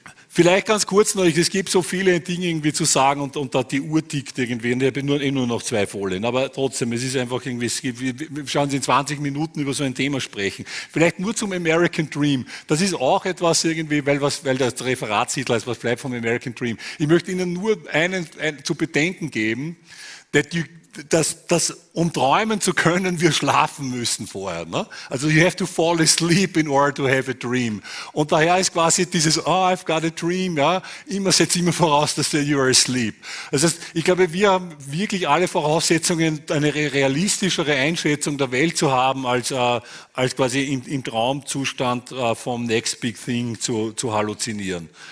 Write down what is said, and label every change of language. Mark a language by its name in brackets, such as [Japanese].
[German] Vielleicht ganz kurz noch, es gibt so viele Dinge irgendwie zu sagen und da die Uhr tickt irgendwie und ich habe nur noch 2 Folien, aber trotzdem, es ist einfach irgendwie, schauen Sie, in 20 Minuten über so ein Thema sprechen. Vielleicht nur zum American Dream, das ist auch etwas irgendwie, weil das Referatstitel ist, was bleibt vom American Dream. Ich möchte Ihnen nur einen zu bedenken geben, dass um träumen zu können, wir schlafen müssen vorher. Ne? [English] Also you have to fall asleep in order to have a dream. [German] Und daher ist quasi dieses, [English] oh, I've got a dream, [German] ja, immer setzt immer voraus, dass [English] you are asleep. [German] Das heißt, ich glaube, wir haben wirklich alle Voraussetzungen, eine realistischere Einschätzung der Welt zu haben, als quasi im Traumzustand vom [English] next big thing [German] zu halluzinieren.